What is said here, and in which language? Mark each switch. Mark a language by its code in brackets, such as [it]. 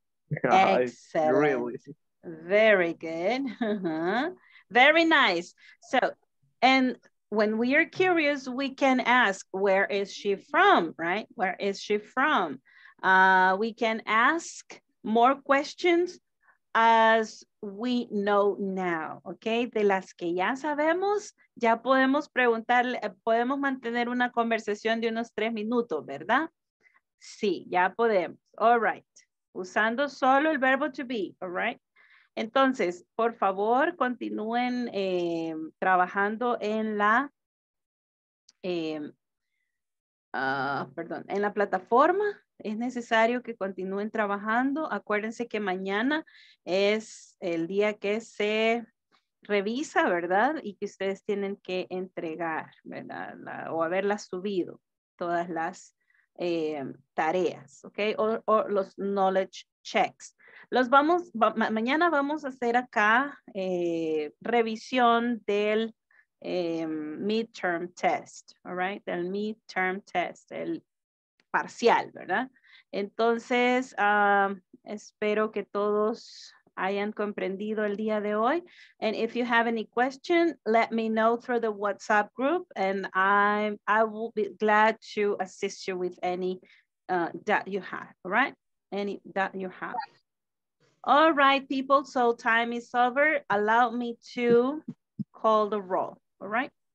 [en] Excellent. Really? Very good. Very nice. So, and when we are curious, we can ask, where is she from, right? Where is she from? We can ask more questions as we know now, okay? [es] De las que ya sabemos, ya podemos preguntarle, podemos mantener una conversación de unos 3 minutos, ¿verdad? Sí, ya podemos. All right. Usando solo el verbo to be, all right? Entonces, por favor, continúen trabajando en la, en la plataforma. Es necesario que continúen trabajando. Acuérdense que mañana es el día que se revisa, ¿verdad? Y que ustedes tienen que entregar, ¿verdad? La, o haberlas subido todas las tareas, ¿ok? O los knowledge checks. Los vamos, mañana vamos a hacer acá revisión del midterm test, ¿all right? Del midterm test, el parcial, ¿verdad? Entonces, espero que todos hayan comprendido el día de hoy. [en] And if you have any question, let me know through the WhatsApp group and I will be glad to assist you with any doubt you have, all right? Any doubt you have. All right, people, so time is over. Allow me to call the roll, all right?